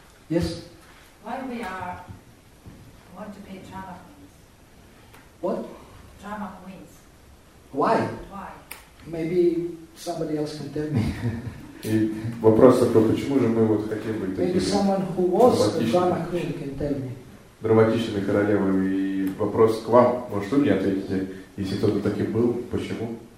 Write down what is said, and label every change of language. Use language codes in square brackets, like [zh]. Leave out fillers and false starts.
[en] Yes. Why we want to be drama queens? What? Drama queens. Why? Why? Maybe somebody else can tell me. [ru] И вопрос такой: почему же мы вот хотим быть такими? [en] Maybe someone who was a drama queen can tell me. [ru] Драматичными королевами. И вопрос к вам: может, вы мне ответите, если кто-то так и был, почему?